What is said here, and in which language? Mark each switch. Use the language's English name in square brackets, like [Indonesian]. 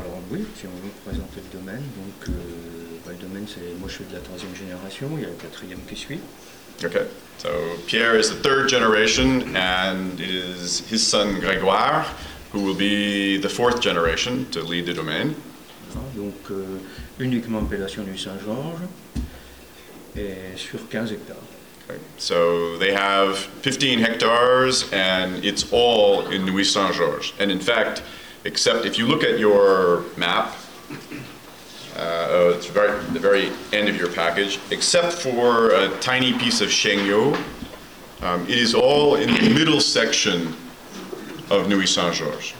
[French] Oui, si on veut présenter le domaine, donc le domaine, c'est moi, je suis de la troisième génération, il y a la quatrième qui suit. [English] Okay, so Pierre is the third generation, and it is his son Grégoire who will be the fourth generation to lead the domaine. [French] Donc uniquement appellation du Saint-Georges et sur 15 hectares. [English] So they have 15 hectares, and it's all in Nuits-Saint-Georges. And in fact, except if you look at your map, it's very the very end of your package, except for a tiny piece of Chaigneau, it is all in the middle section of Nuits-Saint-Georges.